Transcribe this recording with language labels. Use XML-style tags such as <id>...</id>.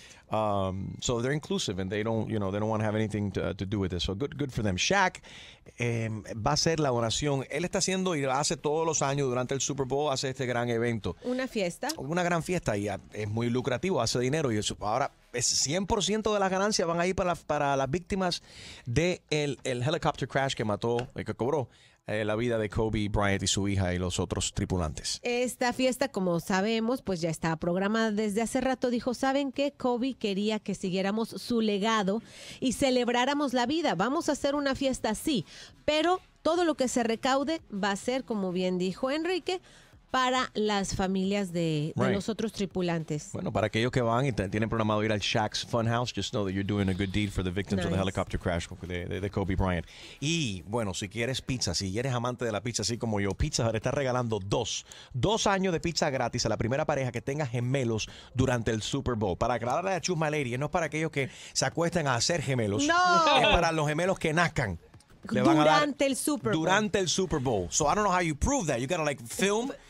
<en>So they're inclusive and they don't want to have anything to do with this. So good for them.</en> <es>Shaq va a hacer la donación. Él está haciendo y lo hace todos los años durante el Super Bowl, hace este gran evento. Una fiesta. Una gran fiesta y es muy lucrativo, hace dinero y eso. Ahora es 100% de las ganancias van ahí para las víctimas de el</es> <en>helicopter crash</en> <es>que mató, que cobró la vida de Kobe Bryant y su hija y los otros tripulantes. Esta fiesta, como sabemos, pues ya estaba programada desde hace rato. Dijo, ¿saben qué? Kobe quería que siguiéramos su legado y celebráramos la vida. Vamos a hacer una fiesta, sí, pero todo lo que se recaude va a ser, como bien dijo Enrique, para las familias de los otros tripulantes. Bueno, para aquellos que van y tienen programado ir al</es> <en>Shaq's Funhouse, just know that you're doing a good deed for the victims of the helicopter crash de Kobe Bryant.</en> <es>Y bueno, si quieres pizza, si eres amante de la pizza así como yo, Pizza Hut está regalando dos años de pizza gratis a la primera pareja que tenga gemelos durante el Super Bowl. Para aclararle a Chusma Lady, no es para aquellos que se acuesten a hacer gemelos. ¡No! Es para los gemelos que nazcan. Le van durante a dar, el Super Bowl. Durante el Super Bowl.</es> <en>So I don't know how you prove that. You gotta like film.</en>